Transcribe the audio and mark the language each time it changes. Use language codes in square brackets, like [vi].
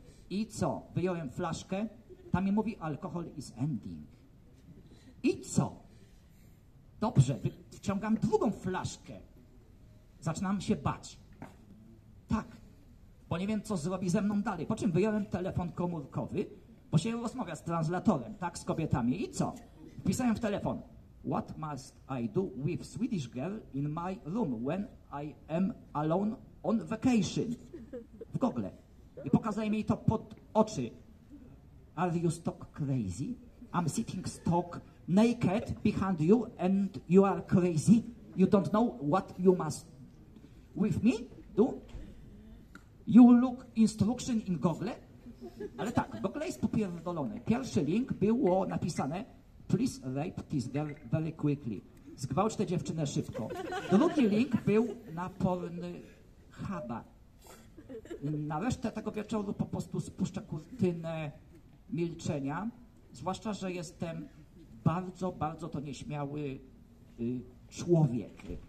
[pl] I co? Wyjąłem flaszkę. Tam mi mówi, [en] alkohol is ending. [pl] I co? Dobrze, wciągam drugą flaszkę. Zaczynam się bać. Tak, bo nie wiem, co zrobi ze mną dalej. Po czym wyjąłem telefon komórkowy, bo się rozmawia z translatorem, tak, z kobietami. I co? Wpisałem w telefon. [en] What must I do with Swedish girl in my room when I am alone on vacation? [pl] W Google. I pokazałem jej to pod oczy. [en] Are you stock crazy? I'm sitting stock naked behind you and you are crazy? You don't know what you must with me do? You look instruction in Google? [pl] Ale tak, Google jest popierdolony. Pierwszy link było napisane [en] please rape this girl very quickly. [pl] Zgwałć tę dziewczynę szybko. Drugi link był na Pornhuba. Na resztę tego wieczoru po prostu spuszczę kurtynę milczenia, zwłaszcza, że jestem bardzo, bardzo to nieśmiały człowiek.